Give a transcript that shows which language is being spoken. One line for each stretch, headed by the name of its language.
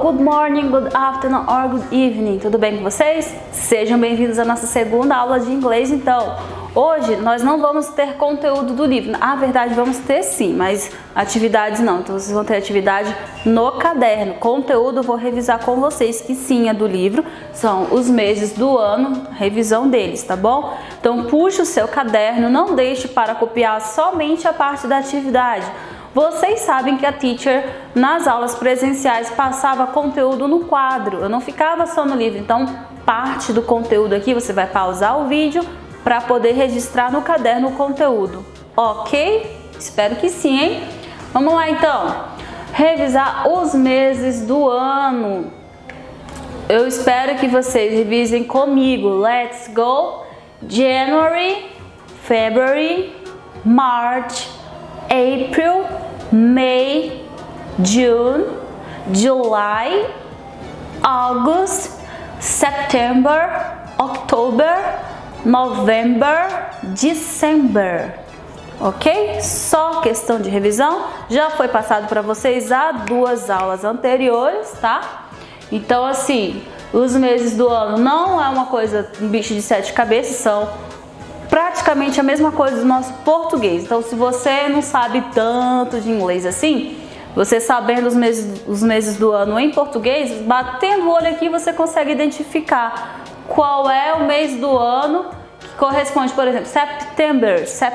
English: Good morning, good afternoon or good evening.
Portuguese: Tudo bem com vocês? Sejam bem-vindos à nossa segunda aula de inglês, então. Hoje nós não vamos ter conteúdo do livro. Na verdade, vamos ter sim, mas atividades não. Então vocês vão ter atividade no caderno. Conteúdo eu vou revisar com vocês, que sim, é do livro. São os meses do ano, revisão deles, tá bom? Então puxa o seu caderno, não deixe para copiar somente a parte da atividade. Vocês sabem que a teacher, nas aulas presenciais, passava conteúdo no quadro. Eu não ficava só no livro. Então parte do conteúdo aqui, você vai pausar o vídeo para poder registrar no caderno o conteúdo, ok? Espero que sim, hein? Vamos lá, então. Revisar os meses do ano. Eu espero que vocês revisem comigo.
English: Let's go! January, February, March, April, May, June, July, August, September, October, November, December.
Portuguese: Ok? Só questão de revisão. Já foi passado para vocês há duas aulas anteriores, tá? Então, assim, os meses do ano não é uma coisa, um bicho de sete cabeças, são praticamente a mesma coisa do nosso português. Então, se você não sabe tanto de inglês assim, você sabendo os meses do ano em português, batendo o olho aqui, você consegue identificar qual é o mês do ano que corresponde, por exemplo, September.